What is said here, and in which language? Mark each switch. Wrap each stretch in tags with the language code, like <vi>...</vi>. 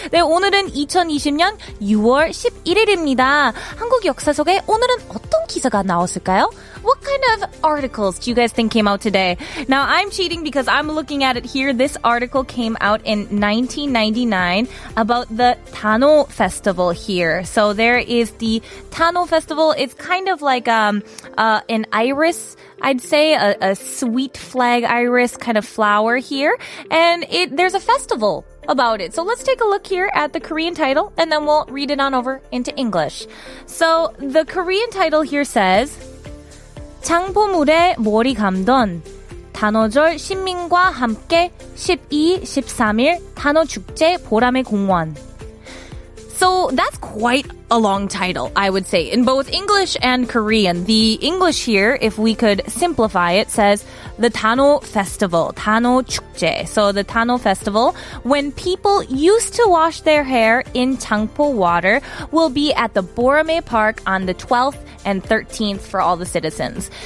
<ko>네, 오늘은 2020년 6월 11일입니다. 한국 역사 속에 오늘은 어떤 기사가 나왔을까요?</ko> <en>What kind of articles do you guys think came out today? Now, I'm cheating because I'm looking at it here. This article came out in 1999 about the Tano Festival here. So there is the Tano Festival. It's kind of like an iris, I'd say, a sweet flag iris kind of flower here. And there's a festival about it. So let's take a look here at the Korean title, and then we'll read it on over into English. So the Korean title here says</en> <ko>장보물에 머리 감던 단오절 신민과 함께 12-13일 단오축제 보람의 공원.</ko> <en>So that's quite a long title, I would say, in both English and Korean. The English here, if we could simplify it, says the Tano Festival, Tano Chukje. So the Tano Festival, when people used to wash their hair in Changpo water, will be at the Borame Park on the 12th and 13th for all the citizens.</en>